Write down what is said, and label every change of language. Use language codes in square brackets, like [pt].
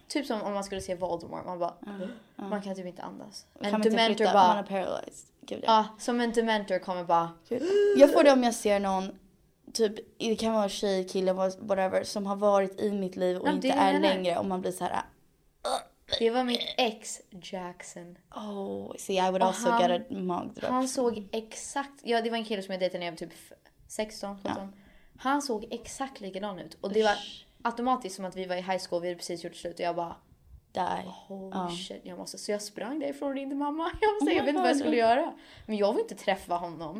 [sv] Typ som om man skulle se Voldemort. Man bara... Man kan typ inte andas. En dementor bara... Man är paralyzed. Som en dementor kommer bara... Jag får det om jag ser någon... Typ, det kan vara tjej, kille, whatever. Som har varit i mitt liv och inte är längre. Om man blir så här... Det var mitt ex, Jackson. [en] Oh, see, I would also get a mug drop. [sv] Han såg exakt... Ja, det var en kille som jag dejtade när jag var typ 16, 17. Ja. Han såg exakt likadan ut. Och det var automatiskt som att vi var i high school. Vi hade precis gjort slut och jag bara... [en] Die. Oh, shit. [sv] Jag måste, så jag sprang därifrån och ringde mamma. Jag måste, jag vet inte vad jag skulle göra. Men jag vill inte träffa honom.